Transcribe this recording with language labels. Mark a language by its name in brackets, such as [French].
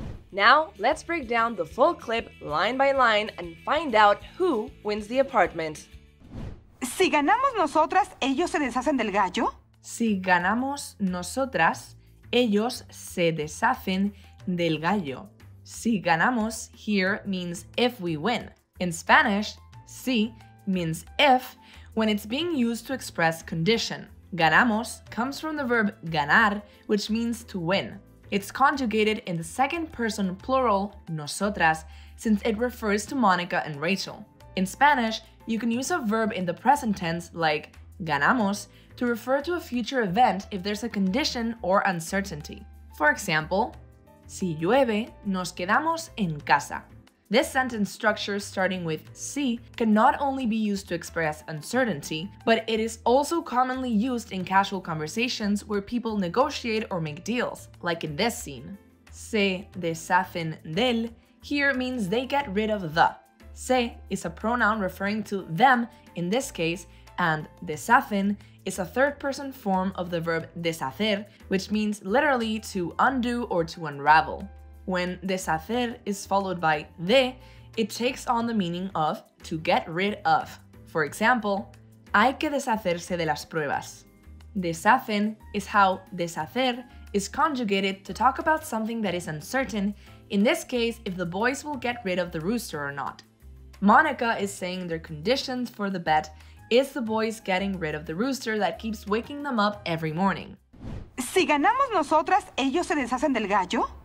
[English] Now, let's break down the full clip line by line and find out who wins the apartment. [Spanish] Si ganamos nosotras, ¿ellos se deshacen del gallo? Si ganamos nosotras, ellos se deshacen del gallo. [English] Si ganamos here means if we win. In Spanish, si means if when it's being used to express condition. Ganamos comes from the verb ganar, which means to win. It's conjugated in the second person plural, nosotras, since it refers to Monica and Rachel. In Spanish, you can use a verb in the present tense, like ganamos, to refer to a future event if there's a condition or uncertainty. For example, [Spanish] si llueve, nos quedamos en casa. [English] This sentence structure starting with si can not only be used to express uncertainty, but it is also commonly used in casual conversations where people negotiate or make deals, like in this scene. Se deshacen del here means they get rid of the. Se is a pronoun referring to them in this case, and deshacen is a third-person form of the verb deshacer, which means literally to undo or to unravel. When deshacer is followed by de, it takes on the meaning of to get rid of. For example, [Spanish] hay que deshacerse de las pruebas. [English] Deshacen is how deshacer is conjugated to talk about something that is uncertain, in this case, if the boys will get rid of the rooster or not. Monica is saying their conditions for the bet is the boys getting rid of the rooster that keeps waking them up every morning. [Spanish] Si ganamos nosotras, ¿ellos se deshacen del gallo?